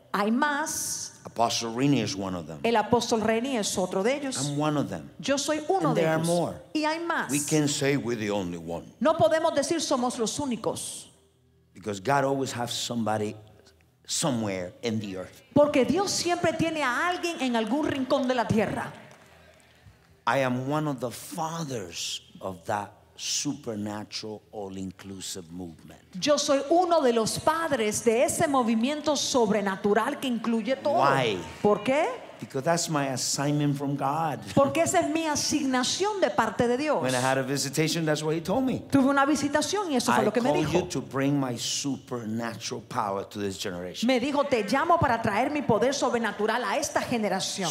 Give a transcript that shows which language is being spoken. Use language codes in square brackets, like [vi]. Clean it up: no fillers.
[es] Hay más. [en] Apostle Rennie is one of them. [es] El apóstol Rennie es otro de ellos. [en] I'm one of them. [es] Yo soy uno [en] and [es] de ellos. [en] And there are more. [es] Y hay más. [en] We can say we're the only one. [es] No podemos decir somos los únicos. [en] Because God always has somebody somewhere in the earth. [es] Porque Dios siempre tiene a alguien en algún rincón de la tierra. [en] I am one of the fathers of that supernatural all-inclusive movement. [es] Yo soy uno de los padres de ese movimiento sobrenatural que incluye todo. [en] Why? [es] ¿Por qué? [en] Because that's my assignment from God. [es] Porque esa es mi asignación de parte de Dios. [en] When I had a visitation, that's what he told me. [es] Tuve una visitación y eso fue lo que me dijo. [en] I call you to bring my supernatural power to this generation. [es] Me dijo, te llamo para traer mi poder sobrenatural a esta generación.